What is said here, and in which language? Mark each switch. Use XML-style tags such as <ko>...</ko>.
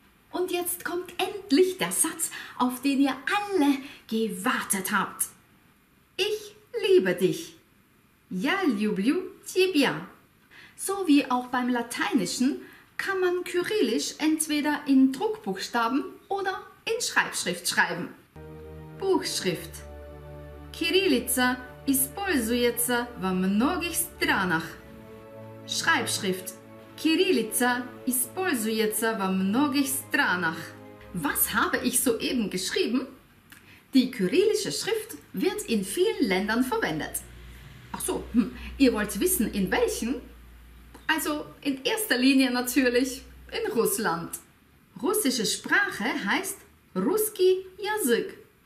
<de>Und jetzt kommt endlich der Satz, auf den ihr alle gewartet habt. Ich liebe dich.</de> <ru>Я люблю тебя.</ru> <de>So wie auch beim Lateinischen kann man Kyrillisch entweder in Druckbuchstaben oder in Schreibschrift schreiben. Buchschrift.</de> <ru>Кириллица используется во многих странах.</ru> <de>Schreibschrift.</de> <ru>Кириллица используется во многих странах.</ru> <de>Was habe ich soeben geschrieben? Die kyrillische Schrift wird in vielen Ländern verwendet. Ach so, ihr wollt wissen, in welchen? Also in erster Linie natürlich in Russland. Russische Sprache heißt Русский язык.</de>